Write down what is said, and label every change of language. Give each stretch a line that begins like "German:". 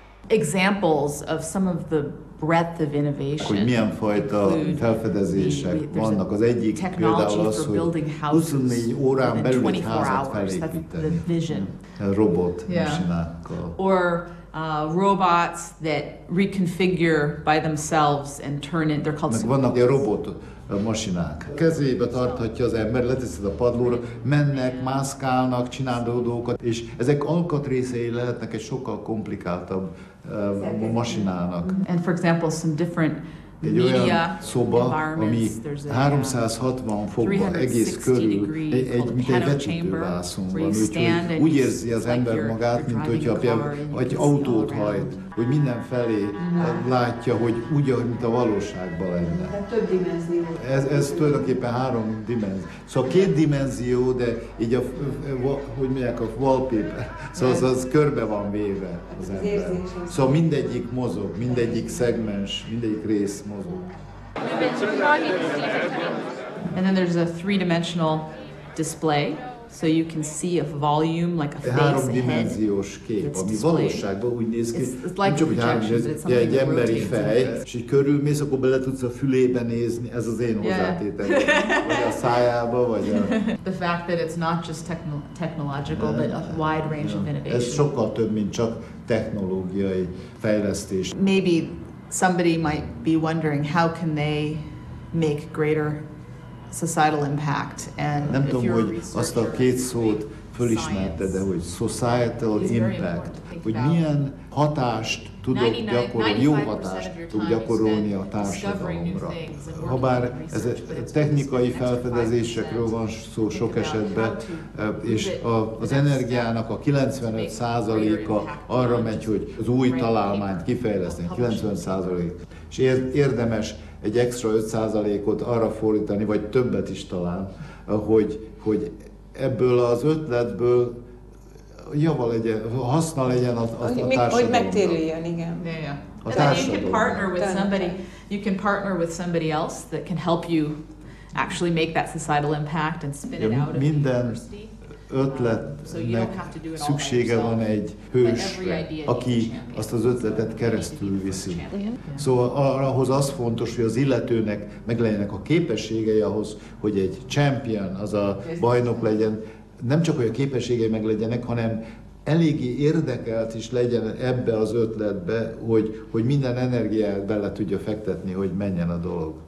English: Examples of some of the breadth of innovation.
Hungarian: Hogy milyen fajta felfedezések vannak. Az egyik például az, hogy 24 órán belül egy házat felépíteni. Robot mesinákkal.
English: Robots that reconfigure by themselves and turn it, they're called
Hungarian: meg vannak ilyen robot masinák. Kezébe tarthatja az ember, leteszed a padlóra, mennek, mászkálnak, csinálnak dolgokat, és ezek alkatrészei lehetnek egy sokkal komplikáltabb masinának.
English: And for example, some different
Hungarian: egy olyan szoba, ami 360 fokban egész körül, mint egy vetítővászon van, úgyhogy úgy érzi az ember magát, mint hogyha egy autót hajt, hogy mindenfelé látja, hogy úgy, mint a valóságban lenne. Ez tulajdonképpen három dimenzió. Szóval két dimenzió, de így a, hogy mondják, a wallpaper, szóval az körbe van véve az ember. Szóval mindegyik mozog, mindegyik szegmens, mindegyik rész.
English: And then there's a three-dimensional display, so you can see a volume, like a face ahead.
Hungarian: Háromdimenziós kép, ami valóságban úgy néz ki, nincs, hogy egy emberi fej, és így körülmész, akkor bele tudsz a fülébe nézni, ez az én hozzátételem, vagy a szájába, vagy a...
English: The fact that it's not just technological, but a wide range of innovation.
Hungarian: Ez sokkal több, mint csak technológiai fejlesztés.
English: Maybe somebody might be wondering how can they make greater societal impact. And
Hungarian: nem tudom, hogy azt a két szót fölismerte, de hogy
English: societal impact,
Hungarian: hogy milyen hatást tudok gyakorolni, jó hatást tudok gyakorolni a társadalomra. Habár ez technikai felfedezésekről van szó sok esetben, és az energiának a 95%-a arra megy, hogy az új találmányt kifejleszteni, 90%. És érdemes egy extra 5%-ot arra fordítani, vagy többet is talán, hogy ebből az ötletből java legyen, haszna legyen a társadalomnak. Hogy megtérüljön, igen.
English: Yeah.
Hungarian: A társadalomnak.
English: You can partner with somebody else that can help you actually make that societal impact and spin it out of university.
Hungarian: Minden ötletnek szüksége van egy hősre, aki azt az ötletet keresztül viszi. Szóval ahhoz az fontos, hogy az illetőnek meglegyenek a képességei ahhoz, hogy egy champion, az a bajnok legyen, nem csak hogy a képességei meglegyenek, hanem eléggé érdekelt is legyen ebbe az ötletbe, hogy minden energiát bele tudja fektetni, hogy menjen a dolog.